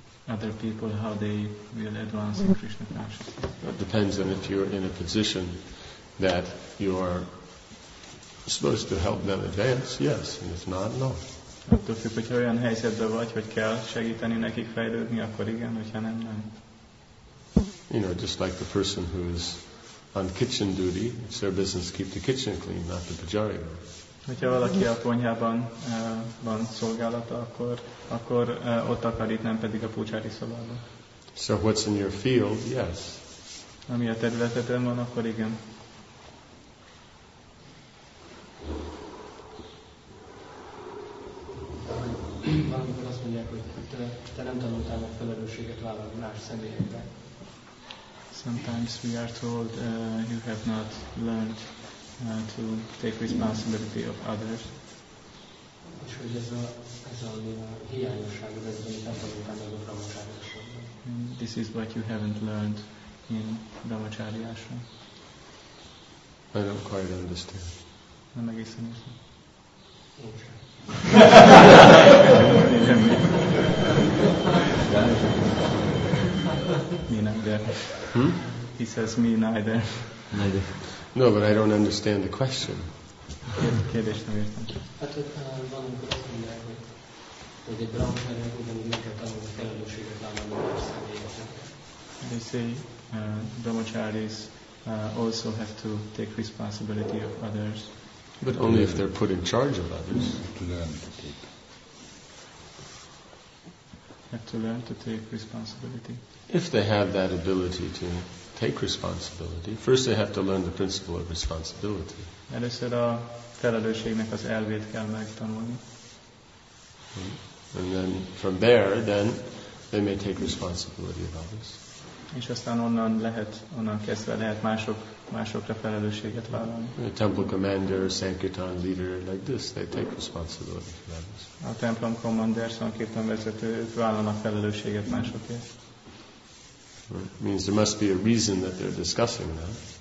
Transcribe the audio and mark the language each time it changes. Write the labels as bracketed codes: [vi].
[en] Other people, how they will advance in Krishna consciousness. It depends on if you're in a position that you are supposed to help them advance. Yes, and if not, no. [hu] Attól függ, hogyha olyan helyzetben vagy, hogy kell segíteni nekik fejlődni, akkor igen, hogyha nem, nem. [en] You know, just like the person who is on kitchen duty, it's their business to keep the kitchen clean, not the pajariya. [hu] Hogyha valaki a konyhában van szolgálata, akkor ott akarít, nem pedig a pucsári szobában. [en] So what's in your field, yes. [hu] Ami a területeden van, akkor igen. Valamikor azt mondják, hogy te nem tanultál meg felelősséget vállalni más személyekre. [en] Sometimes we are told you have not learned to take responsibility of others. [hu] És hogy ez a hiányosság, ez amit nem tanultál meg a brahmacharyáson. [en] This is what you haven't learned in brahmacharyáson. I don't quite understand. [hu] Nem egészen értem. [en] Me neither. He says me neither. Neither. No, but I don't understand the question. [hu] Kérdést nem értem. Hát ott van, amikor azt mondják, hogy egy brahmacharyának ugyanúgy kell tanulni a felelősséget vállalni más személyekre. [en] They say brahmacharis also have to take responsibility of others. But only if they're put in charge of others. To learn to take. have to learn to take responsibility. If they have that ability to take responsibility, first they have to learn the principle of responsibility. [hu] Először a felelősségnek az elvét kell megtanulni. [en] And then from there, then they may take responsibility of others. [hu] És aztán onnan lehet, onnan kezdve lehet másokra felelősséget vállalni. [en] A temple commander, sankirtan leader, like this, they take responsibility for others. [hu] A templom commander, sankirtan vezető, vállalnak felelősséget másokért. [en] Means there must be a reason that they're discussing that.